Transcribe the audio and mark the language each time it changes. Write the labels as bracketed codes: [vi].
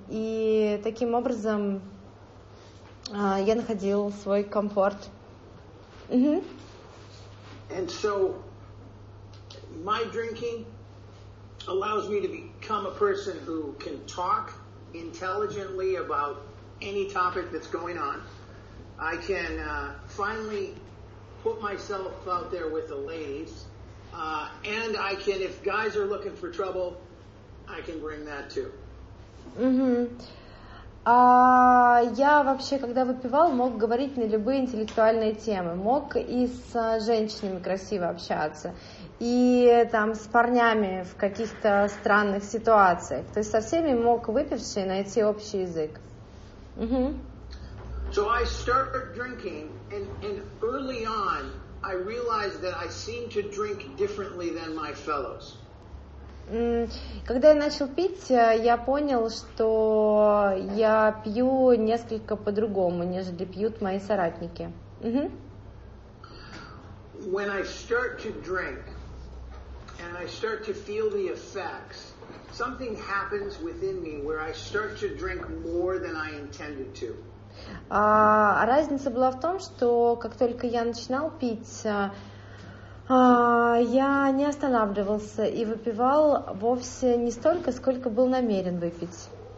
[ru] И таким образом я находил свой комфорт. [en] And so my drinking allows me to become a person who can talk intelligently about any topic that's going on. I can finally put myself out there with the ladies. And I can, if guys are looking for trouble, I can bring that too. Mm-hmm. [ru] А я вообще, когда выпивал, мог говорить на любые интеллектуальные темы, мог и с женщинами красиво общаться, и там с парнями в каких-то странных ситуациях. То есть со всеми мог выпивший найти общий язык. Угу. [en] So I started drinking, and early on I realized that I seemed to drink differently than my fellows. [ru] Когда я начал пить, я понял, что я пью несколько по-другому, нежели пьют мои соратники. [en] When I start to drink and I start to feel the effects, something happens within me where I start to drink more than I intended to. [ru] А разница была в том, что как только я начинал пить, я не останавливался и выпивал вовсе не столько, сколько был намерен выпить.